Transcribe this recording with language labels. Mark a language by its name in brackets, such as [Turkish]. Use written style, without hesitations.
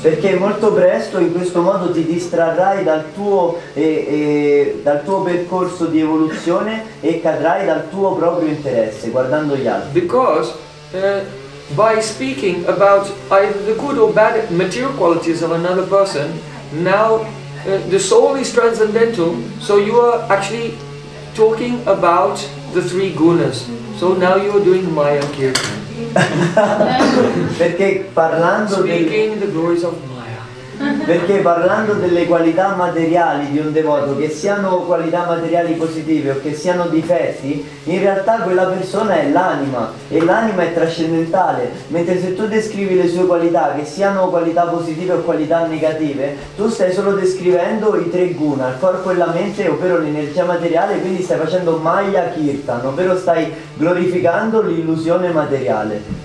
[Italian] Perché molto presto in questo modo ti distrarrai dal tuo percorso di evoluzione e cadrai dal tuo proprio interesse guardando gli altri. [English] Because by speaking about either the good or bad material qualities of another person, now the soul is transcendental, so you are actually talking about the three gunas. So now you are doing Maya Kirtan. [Italian] Perché parlando perché parlando delle qualità materiali di un devoto, che siano qualità materiali positive o che siano difetti, in realtà quella persona è l'anima e l'anima è trascendentale, mentre se tu descrivi le sue qualità, che siano qualità positive o qualità negative, tu stai solo descrivendo i tre guna, il corpo e la mente, ovvero l'energia materiale, quindi stai facendo Maya Kirtan, ovvero stai glorificando l'illusione materiale.